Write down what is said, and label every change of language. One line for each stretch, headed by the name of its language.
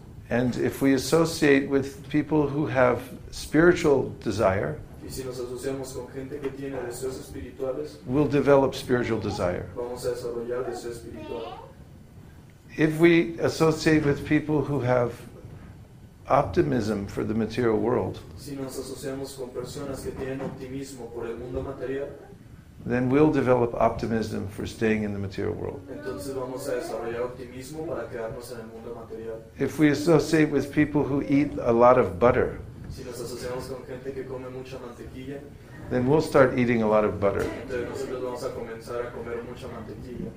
English: And if we associate with people who have spiritual desire,
Spanish: Y si nos asociamos con gente que tiene deseos espirituales,
English: we'll develop spiritual desire.
Spanish: Vamos a desarrollar deseo espiritual.
English: If we associate with people who have optimism for the material world,
Spanish: si nos asociamos con personas que tienen optimismo por el mundo material,
English: then we'll develop optimism for staying in the material world.
Spanish: Entonces vamos a desarrollar optimismo para quedarnos en el mundo material.
English: If we associate with people who eat a lot of butter,
Spanish: si nos asociamos con gente que come mucha mantequilla,
English: then we'll start eating a lot of butter.
Spanish: Entonces nosotros vamos a comenzar a comer mucha mantequilla.